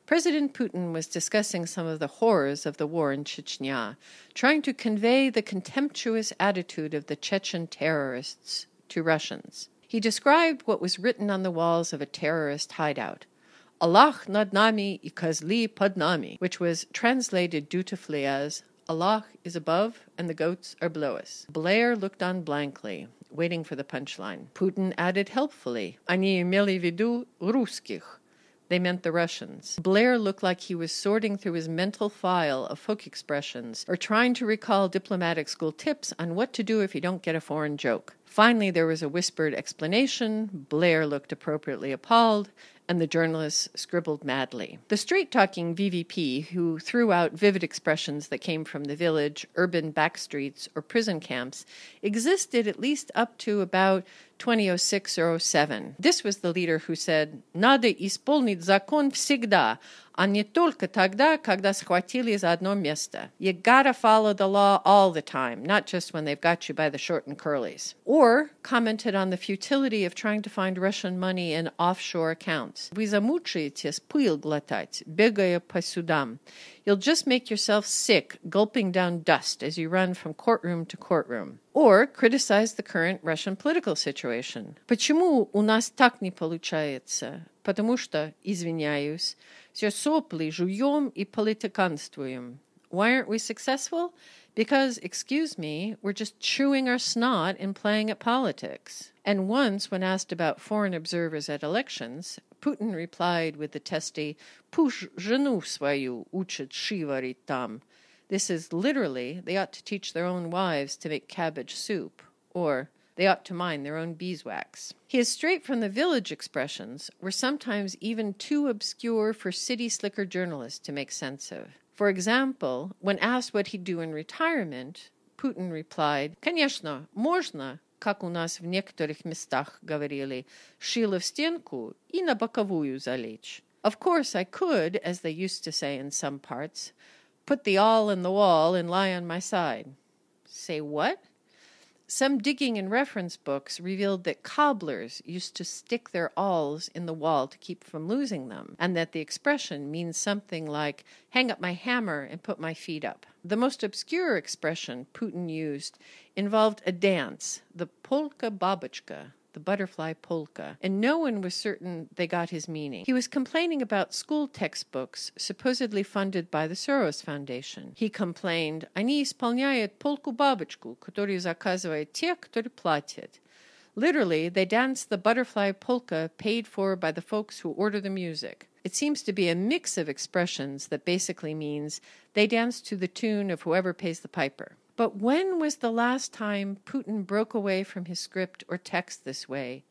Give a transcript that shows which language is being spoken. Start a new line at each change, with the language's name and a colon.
English: President Putin was discussing some of the horrors of the war in Chechnya, trying to convey the contemptuous attitude of the Chechen terrorists to Russians. He described what was written on the walls of a terrorist hideout,
Russian: «Allah nad nami i kozli pod nami»,
English: which was translated dutifully as «Allah is above and the goats are below us». Blair looked on blankly, waiting for the punchline. Putin added helpfully,
Russian: «Они имели в виду русских».
English: They meant the Russians. Blair looked like he was sorting through his mental file of folk expressions or trying to recall diplomatic school tips on what to do if you don't get a foreign joke. Finally, there was a whispered explanation. Blair looked appropriately appalled, and the journalists scribbled madly. The straight-talking VVP, who threw out vivid expressions that came from the village, urban backstreets, or prison camps, existed at least up to about 2006 or 07. This was the leader who said,
Russian: «Надо исполнить закон всегда, а не только тогда, когда схватили за одно место».
English: «You gotta follow the law all the time, not just when they've got you by the short and curlies». Or commented on the futility of trying to find Russian money in offshore accounts.
Russian: «Вы замучаетесь пыль глотать, бегая по судам».
English: «You'll just make yourself sick, gulping down dust as you run from courtroom to courtroom». Or criticize the current Russian political situation.
Russian: «Почему у нас так не получается? Потому что, извиняюсь, все сопли жуем и политиканствуем».
English: «Why aren't we successful? Because, excuse me, we're just chewing our snot and playing at politics». And once, when asked about foreign observers at elections, Putin replied with the testy,
Russian: «Пуш жену свою учат шиварить там».
English: This is literally, they ought to teach their own wives to make cabbage soup, or they ought to mine their own beeswax. His straight-from-the-village expressions were sometimes even too obscure for city-slicker journalists to make sense of. For example, when asked what he'd do in retirement, Putin replied,
Russian: «Конечно, можно, как у нас в некоторых местах говорили, шило в стенку и на боковую залечь».
English: «Of course, I could, as they used to say in some parts, put the awl in the wall and lie on my side». Say what? Some digging in reference books revealed that cobblers used to stick their awls in the wall to keep from losing them, and that the expression means something like, hang up my hammer and put my feet up. The most obscure expression Putin used involved a dance, the polka babochka, the butterfly polka, and no one was certain they got his meaning. He was complaining about school textbooks supposedly funded by the Soros Foundation. He complained,
Russian: «Они исполняют полку бабочку, которую заказывают те, которые платят».
English: Literally, they dance the butterfly polka paid for by the folks who order the music. It seems to be a mix of expressions that basically means they dance to the tune of whoever pays the piper. But when was the last time Putin broke away from his script or text this way?